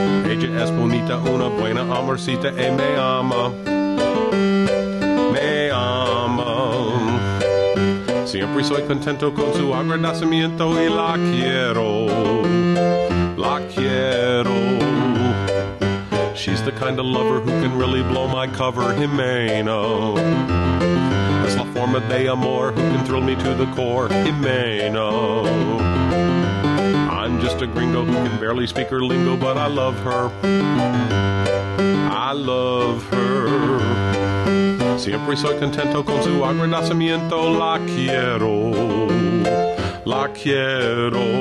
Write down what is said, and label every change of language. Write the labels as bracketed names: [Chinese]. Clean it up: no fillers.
[Spanish] Ella es bonita, una buena amorcita, y me ama. Me ama. Siempre soy contento con su agradecimiento y la quiero. La quiero. [English] She's the kind of lover who can really blow my cover, Jimena. [Spanish] Es la forma de amor [English] who can thrill me to the core, Jimena. I'm just a gringo who can barely speak her lingo, but I love her. I love her. [Spanish] Siempre soy contento con su agradecimiento. La quiero. La quiero.